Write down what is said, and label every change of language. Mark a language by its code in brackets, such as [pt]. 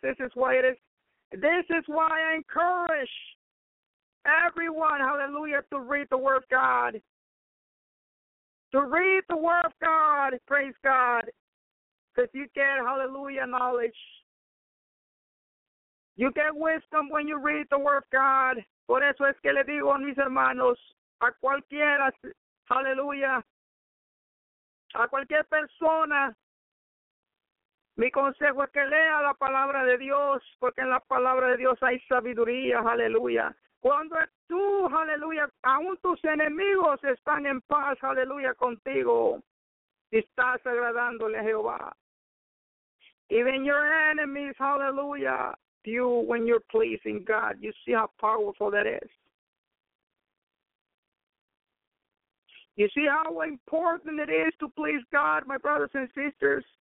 [en] This is why I encourage everyone, hallelujah, to read the Word of God. To read the Word of God, praise God. Because you get, hallelujah, knowledge. You get wisdom when you read the Word of God. [es] Por eso es que le digo a mis hermanos, a cualquiera, hallelujah. A cualquier persona, mi consejo es que lea la palabra de Dios, porque en la palabra de Dios hay sabiduría, aleluya. Cuando tú, aleluya, aún tus enemigos están en paz, aleluya, contigo, y estás agradándole a Jehová. [en] Even your enemies, aleluya, you, when you're pleasing God, you see how powerful that is. You see how important it is to please God, my brothers and sisters.